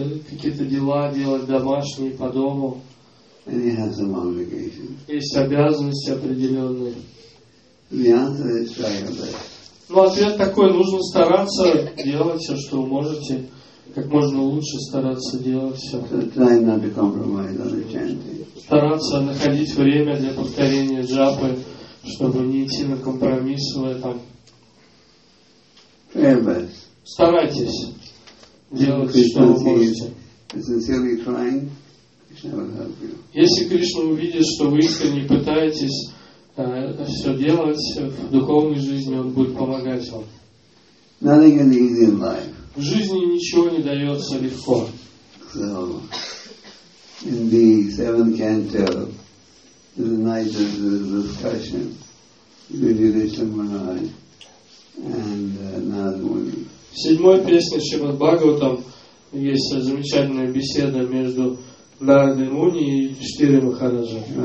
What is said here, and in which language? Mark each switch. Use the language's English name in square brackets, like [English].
[Russian] Какие-то дела делать домашние по дому. [English] And he has some obligations. [Russian] Есть обязанности определенные. [English] The answer is try your best. [Russian] Ну, ответ такой, нужно стараться делать все, что вы можете, как можно лучше стараться делать все. [English] So try not to compromise on the chanting. [Russian] Стараться находить время для повторения джапы, чтобы не идти на компромисс в этом. [English] Try your best. [Russian] Старайтесь делать, что вы можете. [English] Sincerely trying, Krishna will help you. [Russian] Если Кришна увидит, что вы искренне пытаетесь все делать в духовной жизни, Он будет помогать вам. [English] Nothing is easy in life. [Russian] В жизни ничего не дается легко. [English] So, in the seventh canto, the night of the discussion with Yudhishthira Maharaj and Narada Muni. [Russian] В седьмой песне Шримад Бхагаватам есть замечательная беседа между Нарадой Муни и Юдхиштхирой Махараджа.